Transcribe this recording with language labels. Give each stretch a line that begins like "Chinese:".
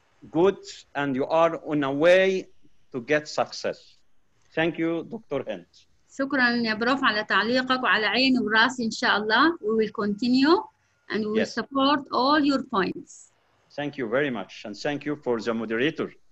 English: Good, and you are on a way to get success. Thank you, Dr. Hent.
Arabic: شكرا يا بروف على تعليقك وعلى عيني وراسي ان شاء الله.
English: We will continue and we will support all your points. Thank you very much and thank you for the moderator.